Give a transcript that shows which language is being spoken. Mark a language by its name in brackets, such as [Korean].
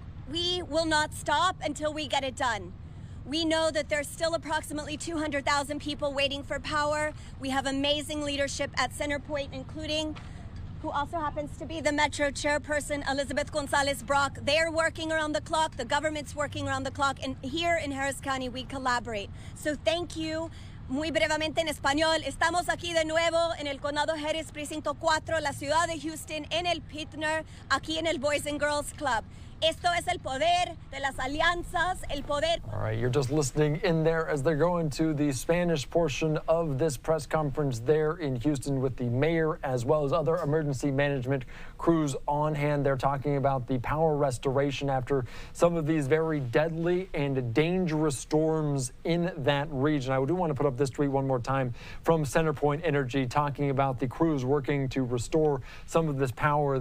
[English] We will not stop until we get it done. We know that there's still approximately 200,000 people waiting for power. We have amazing leadership at CenterPoint, including, who also happens to be the Metro Chairperson, Elizabeth Gonzalez Brock. They're working around the clock. The government's working around the clock. And here in Harris County, we collaborate. So thank you. [Spanish] Muy brevemente en español, estamos aquí de nuevo en el Condado Harris, Precinto 4, la ciudad de Houston, en el Pitner, aquí en el Boys and Girls Club. Esto es el poder de las alianzas, el poder. [English] All right, you're just listening in there as they're going to the Spanish portion of this press conference there in Houston with the mayor as well as other emergency management crews on hand. They're talking about the power restoration after some of these very deadly and dangerous storms in that region. I do want to put up this tweet one more time from CenterPoint Energy talking about the crews working to restore some of this power.